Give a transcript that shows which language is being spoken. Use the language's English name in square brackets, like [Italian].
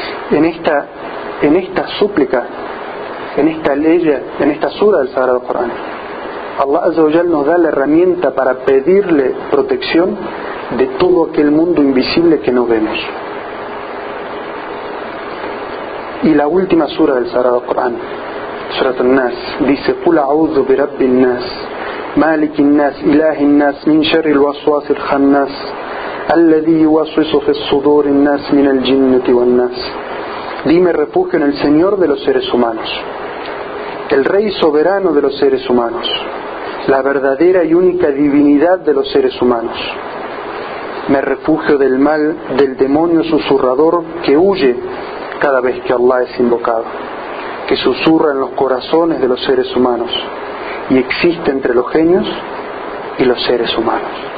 [Spanish] En esta súplica, en esta ley, en esta sura del Sagrado Corán, Allah Azza wa Jal nos da la herramienta para pedirle protección de todo aquel mundo invisible que no vemos. Y la última sura del Sagrado Corán, Surat An-Nas, dice: [Arabic] قُلْ أَعُوذُ بِرَبِّ النَّاسِ مَالِكِ النَّاسِ إِلَهِ النَّاسِ مِنْ شَرِّ الْوَسْوَاسِ الْخَنَّاسِ الَّذِي يُوَسْوِسُ فِي الصُّدُورِ النَّاسِ مِنَ الْجِنَّةِ وَالنَّاسِ. [Spanish] Dime refugio en el Señor de los seres humanos, el Rey soberano de los seres humanos, la verdadera y única divinidad de los seres humanos. Me refugio del mal del demonio susurrador que huye cada vez que Allah es invocado, que susurra en los corazones de los seres humanos y existe entre los genios y los seres humanos.